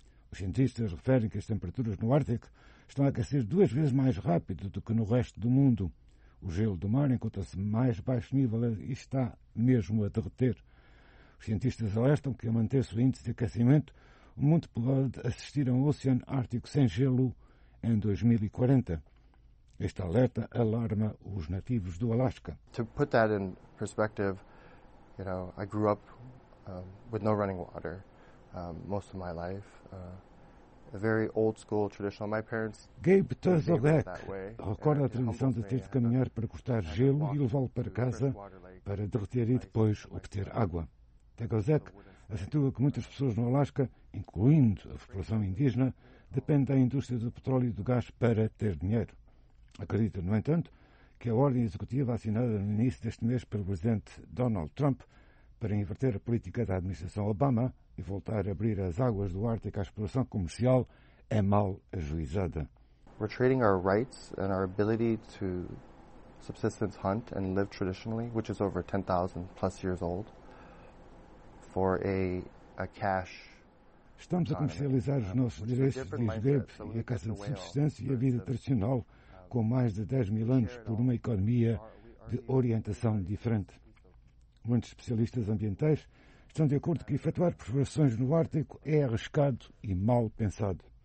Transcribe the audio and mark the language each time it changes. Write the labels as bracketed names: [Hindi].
[Portuguese] Os cientistas referem que as temperaturas no Ártico estão a aquecer duas vezes mais rápido do que no resto do mundo. O gelo do mar encontra-se mais baixo nível e está mesmo a derreter. Os cientistas alertam que, a manter-se o índice de aquecimento, o mundo pode assistir a um Oceano Ártico sem gelo em 2040. Este alerta alarma os nativos do Alasca. [English] To put that in perspective, you know, I grew up with no running water most of my life. A very old school traditional. My parents. [Portuguese] Gabe Tozobek recorda a tradição de ter de caminhar para cortar gelo e levá-lo para casa para derreter e depois obter água. Tozobek acentua que muitas pessoas no Alasca, incluindo a população indígena, dependem da indústria do petróleo e do gás para ter dinheiro. Acredita, no entanto, que a ordem executiva assinada no início deste mês pelo presidente Donald Trump para inverter a política da administração Obama e voltar a abrir as águas do Ártico à exploração comercial é mal ajuizada. [English] We're trading our rights and our ability to subsistence hunt and live traditionally, which is over 10,000 plus years old, for a cash. [Portuguese] Estamos a comercializar os nossos direitos de Lisbeth e a Casa de Subsistência e a vida tradicional com mais de 10 mil anos por uma economia de orientação diferente. Muitos especialistas ambientais estão de acordo que efetuar perfurações no Ártico é arriscado e mal pensado.